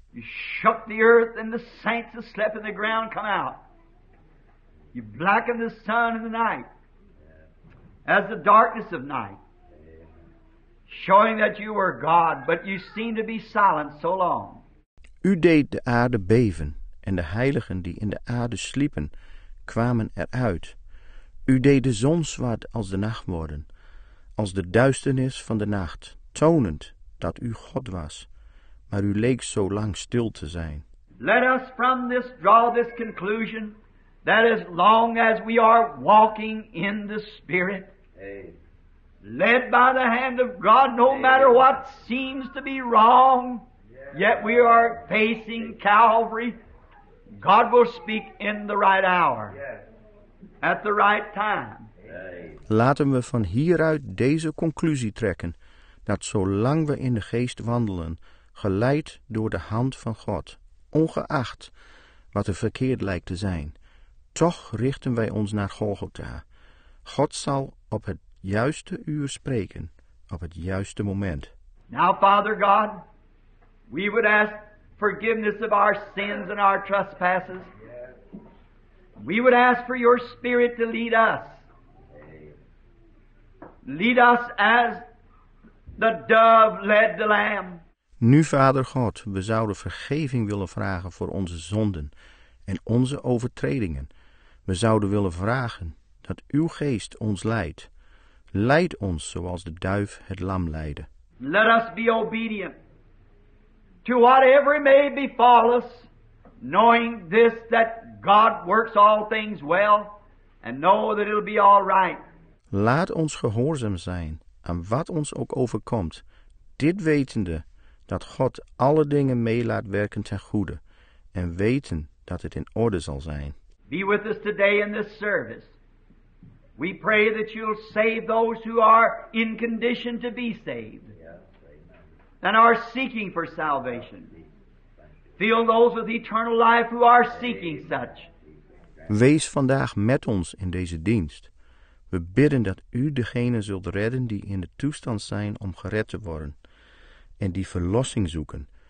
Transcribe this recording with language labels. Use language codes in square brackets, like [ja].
[en] You shook the earth and the saints that slept in the ground come out. You blackened the sun in the night as the darkness of night, showing that you were God, but you seemed to be silent so long. [nl] U deed de aarde beven en de heiligen die in de aarde sliepen kwamen eruit. U deed de zon zwart als de nacht worden, als de duisternis van de nacht, tonend dat u God was. Maar u leek zo lang stil te zijn. [en] Let us from this draw this conclusion that as long as we are walking in the Spirit, led by the hand of God, no matter what seems to be wrong, yet we are facing Calvary, God will speak in the right hour, at the right time. [nl] Laten we van hieruit deze conclusie trekken, dat zolang we in de geest wandelen, geleid door de hand van God, ongeacht wat er verkeerd lijkt te zijn, toch richten wij ons naar Golgotha. God zal op het juiste uur spreken, op het juiste moment. [en] Now, Father God, we would ask forgiveness of our sins and our trespasses. We would ask for your Spirit to lead us. Lead us as the dove led the lamb. [nl] Nu, Vader God, we zouden vergeving willen vragen voor onze zonden en onze overtredingen. We zouden willen vragen dat uw geest ons leidt. Leid ons zoals de duif het lam leidde. [en] Let us be obedient to whatever may befall us, knowing this, that God works all things well, and know that it'll be all right. [nl] Laat ons gehoorzaam zijn aan wat ons ook overkomt, dit wetende dat God alle dingen meelaat werken ten goede, en weten dat het in orde zal zijn. [en] Be with us today in this service. We pray that you'll save those who are in condition to be saved and are seeking for salvation. Fill those with eternal life who are seeking such. [nl] Wees vandaag met ons in deze dienst. We bidden dat u degene zult redden die in de toestand zijn om gered te worden en die verlossing zoeken.